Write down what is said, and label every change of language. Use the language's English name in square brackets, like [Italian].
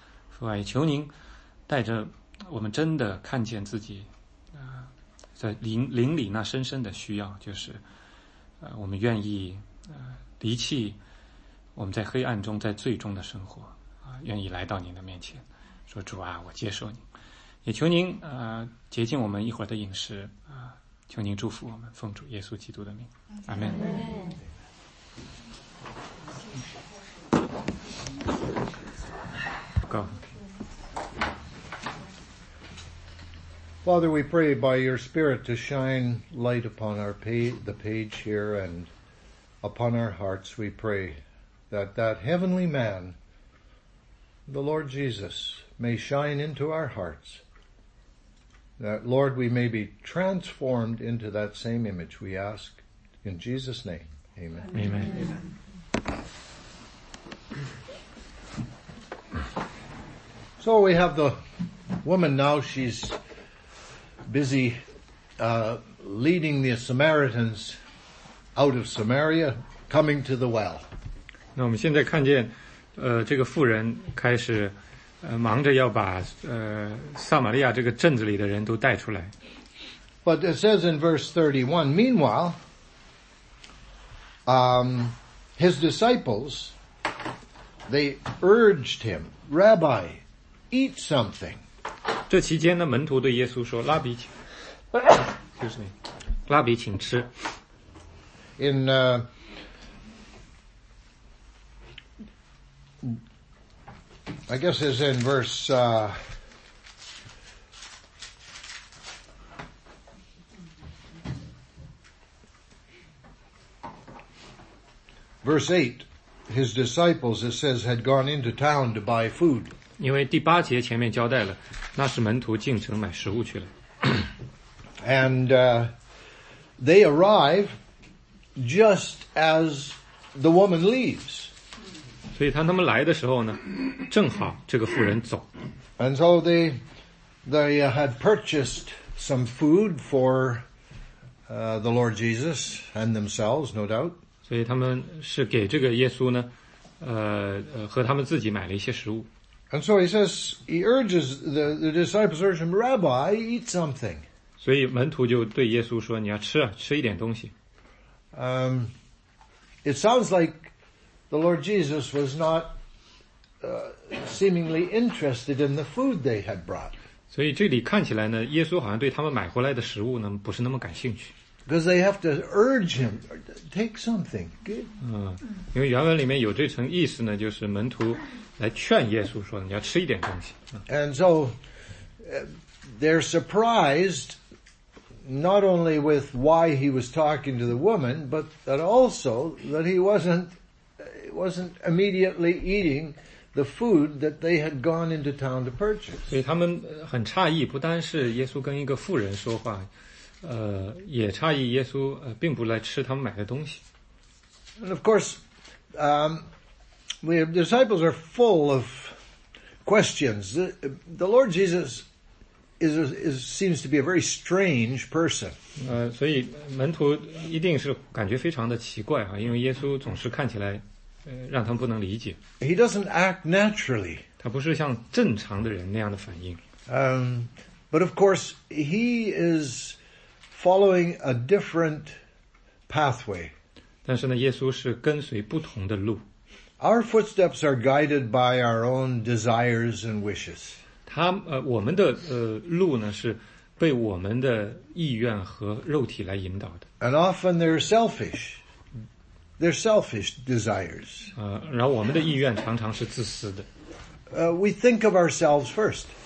[Chinese] 父啊，也求您带着我们真的看见自己在灵里那深深的需要，就是我们愿意离弃我们在黑暗中在最终的生活愿意来到您的面前说，主啊，我接受您，也求您洁净我们一会儿的饮食求您祝福我们，奉主耶稣基督的名，阿们。 [English] Father, we pray by your Spirit to shine light upon our the page here and upon our hearts. We pray that that heavenly man, the Lord Jesus, may shine into our hearts. That, Lord, we may be transformed into that same image. We ask in Jesus' name. Amen. Amen. Amen. Amen. So we have the woman now. She's busy leading the Samaritans out of Samaria, coming to the well. [Chinese] 那我们现在看见，这个妇人开始忙着要把撒玛利亚这个镇子里的人都带出来。 [English] But it says in verse 31, meanwhile, his disciples, they urged him, Rabbi, eat something. [Chinese] 这期间呢，门徒对耶稣说，拉比请，就是你，拉比请吃。 [English] In, I guess it's in verse, 8, his disciples, it says, had gone into town to buy food. [Chinese] 因为第八节前面交代了，那是门徒进城买食物去了。 [English] And, they arrive just as the woman leaves. [Chinese] 所以他们来的时候呢，正好这个妇人走。 [English] And so they had purchased some food for the Lord Jesus and themselves, no doubt. [Chinese] 所以他们是给这个耶稣呢，和他们自己买了一些食物。 [English] And so he says, he urges the disciples urge him, Rabbi, eat something. [Chinese] 所以门徒就对耶稣说，你要吃啊，吃一点东西。 [English] It sounds like. The Lord Jesus was not seemingly interested in the food they had brought. [Chinese] 所以这里看起来呢，耶稣好像对他们买回来的食物呢不是那么感兴趣。 [English] Because they have to urge him, take something. [Chinese] 嗯，因为原文里面有这层意思呢，就是门徒来劝耶稣说，你要吃一点东西。 [English] And so they're surprised not only with why he was talking to the woman, but that also that he wasn't immediately eating the food that they had gone into town to purchase. [Chinese] 所以他们很诧异，不单是耶稣跟一个妇人说话，也诧异耶稣并不来吃他们买的东西。 [English] And of course, the disciples are full of questions. The Lord Jesus seems to be a very strange person. [Chinese] 所以门徒一定是感觉非常的奇怪啊，因为耶稣总是看起来。让他们不能理解。 [English] He doesn't act naturally. [Chinese] 他不是像正常的人那样的反应。 [English] But of course, he is following a different pathway. [Chinese] 但是呢，耶稣是跟随不同的路。 [English] Our footsteps are guided by our own desires and wishes. [Chinese] 我们的路呢是被我们的意愿和肉体来引导的。 [English] And often they're selfish. They're selfish desires. [Chinese] 然后我们的意愿常常是自私的。 [English] We think of ourselves first.